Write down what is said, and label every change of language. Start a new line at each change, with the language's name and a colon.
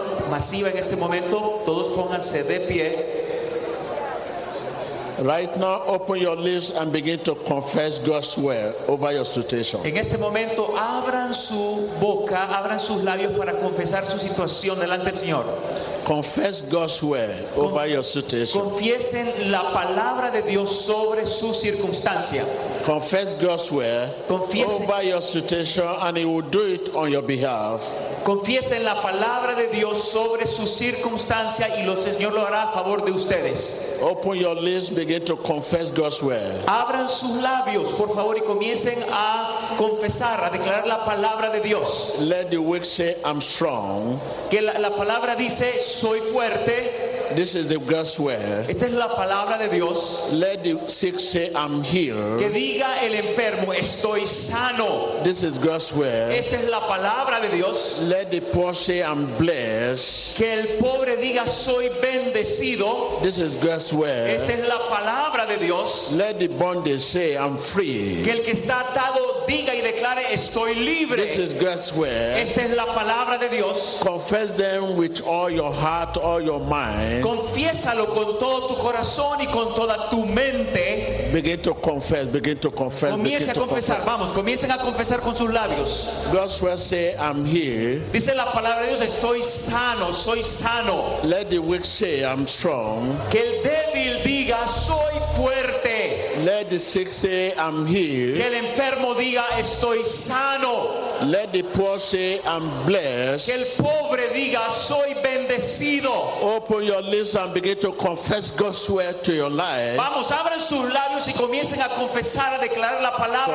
Spanish: Masiva en este momento, todos pónganse de pie.
English: Right now, open your lips and begin to confess God's word over your situation.
Spanish: En este momento, abran su boca, abran sus labios para confesar su situación delante del Señor.
English: Confess God's word over your situation.
Spanish: Confiesen la palabra de Dios sobre su circunstancia.
English: Confess God's word over your situation, and He will do it on your behalf.
Spanish: Confiesen la palabra de Dios sobre su circunstancia y el Señor lo hará a favor de ustedes.
English: Open your lips, begin to confess God's word.
Spanish: Abran sus labios, por favor, y comiencen a confesar, a declarar la palabra de Dios.
English: Let the weak say, I'm strong.
Spanish: Que la palabra dice, soy fuerte.
English: This is the God's word.
Spanish: Esta es la palabra de Dios.
English: Let the sick say, I'm healed.
Spanish: Que diga el enfermo, estoy sano.
English: This is God's word.
Spanish: Esta es la palabra de Dios.
English: Let the poor say, I'm blessed.
Spanish: Que el pobre diga, soy bendecido.
English: This is God's word.
Spanish: Esta es la palabra de Dios.
English: Let the bondage say, I'm free.
Spanish: Que el que está atado diga y declare, estoy libre.
English: This is God's word.
Spanish: Esta es la palabra de Dios.
English: Confess them with all your heart, all your mind.
Spanish: Confiésalo con todo tu corazón y con toda tu mente.
English: Begin to confess, begin to confess.
Spanish: Comience
English: begin
Spanish: a confesar,
English: confess.
Spanish: Vamos, comiencen a confesar con sus labios.
English: God's word say, I'm here.
Spanish: Dice la palabra de Dios, estoy sano, soy sano.
English: Let the weak say, I'm strong.
Spanish: Que el débil diga, soy fuerte.
English: Let the sick say, I'm here.
Spanish: Que el enfermo diga, estoy sano.
English: Let the poor say, I'm blessed.
Spanish: Que el pobre diga, soy bendecido.
English: Open your lips and begin to confess God's word to your life.
Spanish: Vamos, abran sus labios y comiencen a confesar, a declarar la palabra